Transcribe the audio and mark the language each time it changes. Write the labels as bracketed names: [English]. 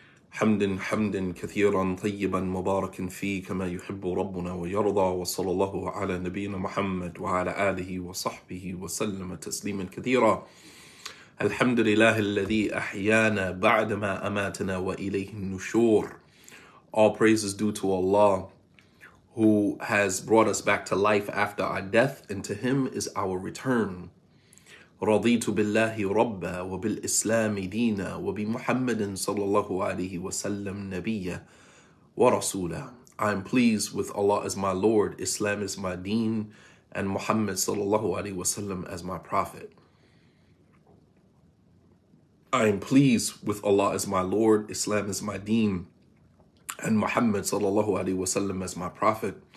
[Arabic] حمد كثيرا طيبا مباركا فيه كما يحب ربنا ويرضى وصلى الله على نبينا محمد وعلى آله وصحبه وسلم تسليما كثيرا. الحمد لله الذي أحيانا بعدما أماتنا وإليه النشور. [English] All praises due to Allah who has brought us back to life after our death and to him is our return. [Arabic] رضيت بالله ربا وبالإسلام دينا وبمحمد صلى الله عليه وسلم نبيا ورسولا. [English] I am pleased with Allah as my Lord, Islam as my Deen, and Muhammad [Arabic] صلى الله عليه وسلم [English] as my Prophet. I am pleased with Allah as my Lord, Islam as my Deen, and Muhammad sallallahu alaihi wasallam as my Prophet.